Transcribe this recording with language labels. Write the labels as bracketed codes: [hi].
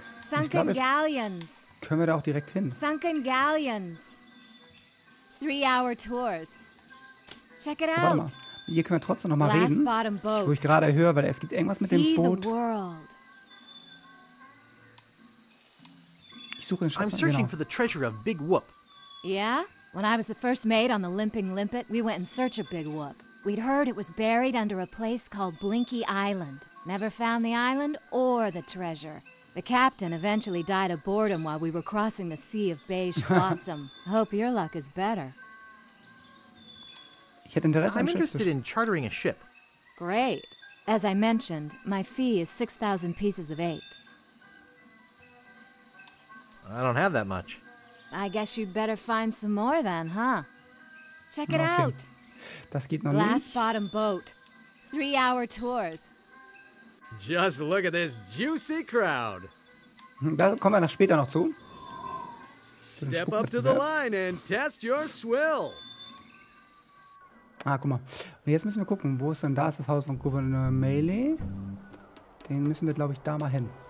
[en] Sunken Galleons. [de] Können wir da auch direkt hin? [en] Sunken Galleons. 3-hour tours. Check it out. [de] Hier können wir trotzdem noch mal reden. Wo ich gerade höre, weil es gibt irgendwas mit dem Boot. Ich suche den Schatz. [en] I'm searching for the treasure of Big Whoop. Yeah? When I was the first mate on the Limping Limpet, we went in search of Big Whoop. We'd heard it was buried under a place called Blinky Island. Never found the island or the treasure. The captain eventually died of boredom while we were crossing the sea of beige flotsam. Hope your luck is better. I'm interested in chartering a ship. Great. As I mentioned, my fee is 6,000 pieces of 8. I don't have that much. I guess you'd better find some more then, huh? Check it out. [de] Das geht noch [en] Glass [de] nicht. [en] Bottom boat. 3-hour tours. Just look at this juicy crowd. [de] Da kommen wir noch später noch zu. [en] Step up to the line and test your swill. [de] Ah, guck mal. Und jetzt müssen wir gucken, wo ist denn da? Ist das Haus von Gouverneur Maley? Den müssen wir, glaube ich, da mal hin.